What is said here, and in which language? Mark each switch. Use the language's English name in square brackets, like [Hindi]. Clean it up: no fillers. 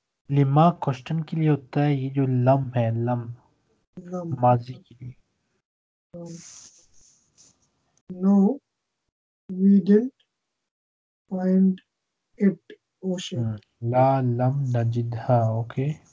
[Urdu] لما question کے لیے ہوتا ہے یہ جو لم ہے لم ماضی کے لیے [English] no we didn't find it او [Arabic] لا لم نجدها okay